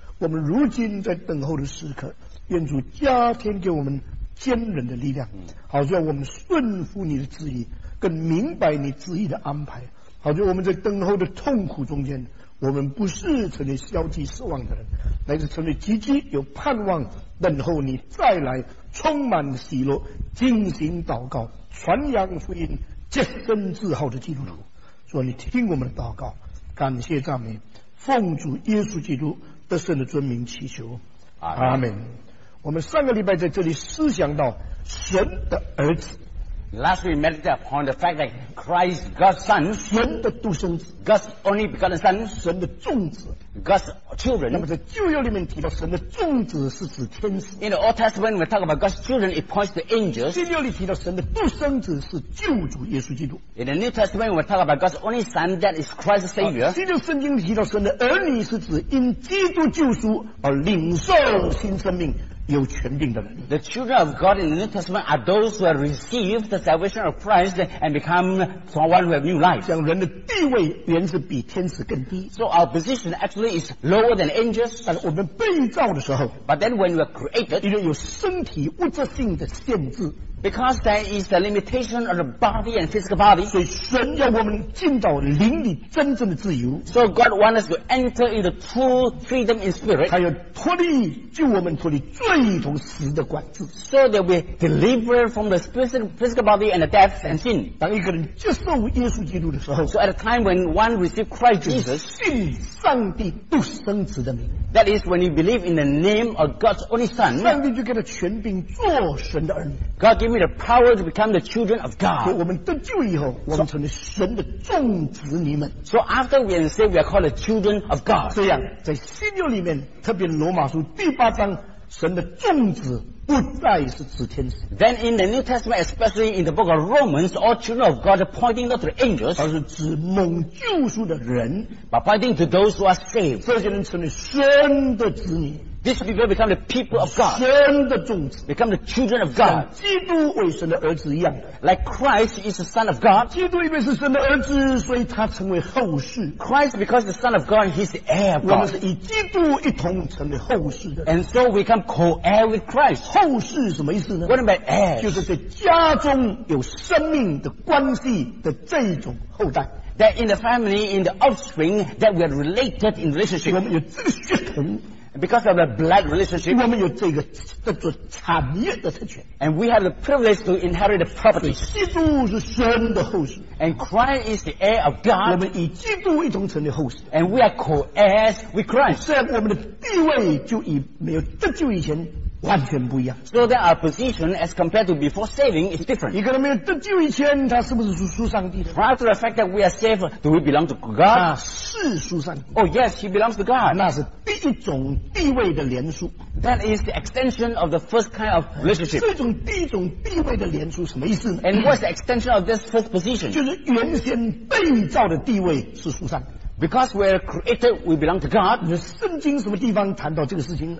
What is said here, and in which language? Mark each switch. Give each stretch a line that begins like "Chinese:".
Chinese: 我们如今在等候的时刻，愿主加添给我们坚忍的力量，好叫我们顺服你的旨意，更明白你旨意的安排，好像我们在等候的痛苦中间，我们不是成为消极失望的人，乃是成为积极有盼望，等候你再来，充满喜乐，进行祷告，传扬福音，洁身自好的基督徒。说你听我们的祷告，感谢赞美，奉主耶稣基督得胜的尊名祈求，阿们。我们上个礼拜在这里思想到神的儿子。
English: Last week we meditated upon the fact that Christ, God's Son,
Chinese: 神的独生子，
English: God's only begotten Son,
Chinese: 神的种子，
English: God's children.
Chinese: 那么在旧约里面提到神的种子是指天使。
English: In the Old Testament, when we talk about God's children, it points to angels.
Chinese: 新约里提到神的独生子是救主耶稣基督。
English: In the New Testament, when we talk about God's only Son, that is Christ the Savior.
Chinese: 新约圣经里提到神的儿女是指因基督救赎而领受新生命。有权柄的人。
English: The children of God in the New Testament are those who have received the salvation of Christ and become someone who have new life.
Chinese: 像人的地位原是比天使更低。
English: So our position actually is lower than angels.
Chinese: 但是我们被造的时候，
English: But then when we are created,
Chinese: 因为有身体物质性的限制。
English: Because there is the limitation of the body and physical body.
Chinese: 所以神要我们进到灵里真正的自由。
English: So God wants us to enter into true freedom in spirit.
Chinese: 还有脱离，救我们脱离罪同死的管制。
English: So that we deliver from the physical body and the death and sin.
Chinese: 当一个人接受耶稣基督的时候，
English: So at a time when one receives Christ Jesus,
Chinese: 信上帝独生子的名。
English: That is when you believe in the name of God's only Son.
Chinese: 上帝就给他权柄做神的儿女。
English: God give me the power to become the children of God.
Chinese: 我们得救以后，我们成为神的众子民们。
English: So after we are saved, we are called the children of God.
Chinese: 这样，在新约里面，特别罗马书第八章，神的众子不再是指天使。
English: Then in the New Testament, especially in the book of Romans, all children of God are pointing not to the angels,
Chinese: 而是指蒙救赎的人，
English: but pointing to those who are saved.
Chinese: 这些人成了神的子女。
English: These people become the people of God.
Chinese: 神的种子。
English: Become the children of God.
Chinese: 像基督为神的儿子一样的。
English: Like Christ is the son of God.
Chinese: 基督因为是神的儿子，所以他成为后世。
English: Christ, because the son of God, he's the heir of God.
Chinese: 我们是与基督一同成为后世的。
English: And so we become co-heir with Christ.
Chinese: 后世什么意思呢？
English: What about heirs?
Chinese: 就是在家中有生命的关系的这种后代。
English: That in the family, in the offspring, that we are related in relationship.
Chinese: 我们有这个血统。
English: Because of the blood relationship,
Chinese: 我们有这个叫做产业的特权。
English: And we have the privilege to inherit the property.
Chinese: 基督是神的后世。
English: And Christ is the heir of God.
Chinese: 我们与基督一同成为后世。
English: And we are co-heirs with Christ.
Chinese: 虽然我们的地位就以没有得救以前完全不一样。
English: So that our position as compared to before saving is different.
Chinese: 一个人没有得救以前，他是不是属上帝的？
English: Prior to the fact that we are saved, do we belong to God?
Chinese: 是属上帝。
English: Oh yes, he belongs to God.
Chinese: 那是第一种地位的连续。
English: That is the extension of the first kind of relationship.
Chinese: 这种第一种地位的连续什么意思呢？
English: And what's the extension of this first position?
Chinese: 就是原先被造的地位是属上帝。
English: Because we are created, we belong to God.
Chinese: 圣经什么地方谈到这个事情？